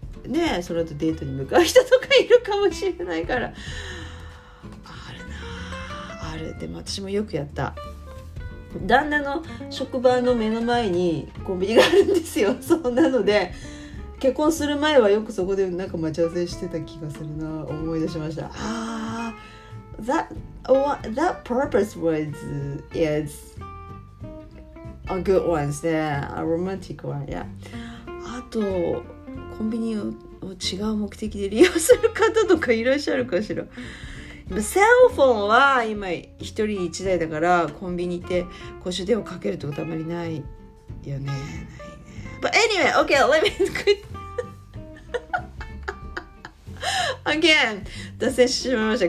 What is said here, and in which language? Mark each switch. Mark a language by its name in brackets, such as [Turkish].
[Japanese] ね、その後デートに向かう人とかいるかもしれないから、あるなあ、ある。でも私もよくやった。旦那の職場の目の前にコンビニがあるんですよ。そうなので、結婚する前はよくそこでなんか待ち合わせしてた気がするな。思い出しました。 [English] あ、 that purpose was is a good one [Japanese] ですね。 [English] a romantic one、 yeah。 [Japanese] あとコンビニを違う目的で利用する方とかいらっしゃるかしら。今セルフォンは今一人一台だから、コンビニって公衆電話かけるってことあまりないよね。ないね。 [English] But anyway, okay, let me again [Japanese] 脱線しました。